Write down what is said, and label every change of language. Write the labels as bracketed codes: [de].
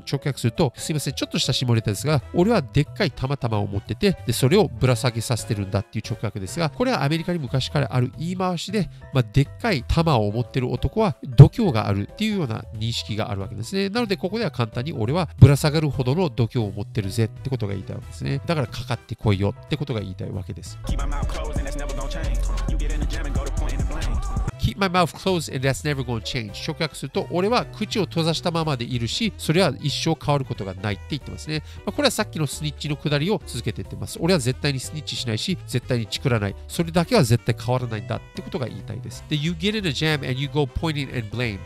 [ja] 直訳すると、すいません、ちょっとした下ネタですが、俺はでっかいたまたまを持ってて、でそれをぶら下げさせてるんだっていう直訳ですが、これはアメリカに昔からある言い回しで、まあ、でっかい玉を持ってる男は度胸があるっていうような認識があるわけですね。なのでここでは簡単に、俺はぶら下がるほどの度胸を持ってるぜってことが言いたいわけですね。だからかかってこいよってことが言いたいわけです。 [en] keep my mouth closed and that's never gonna change. [ja] 直訳すると俺は口を閉ざしたままでいるし、それは一生変わることがないって言ってますね。まあ、これはさっきのスニッチの下りを続けて言ってます。俺は絶対にスニッチしないし、絶対にチクらない、それだけは絶対変わらないんだってことが言いたいです。 [en] で、 you get in a jam and you go pointing and blame。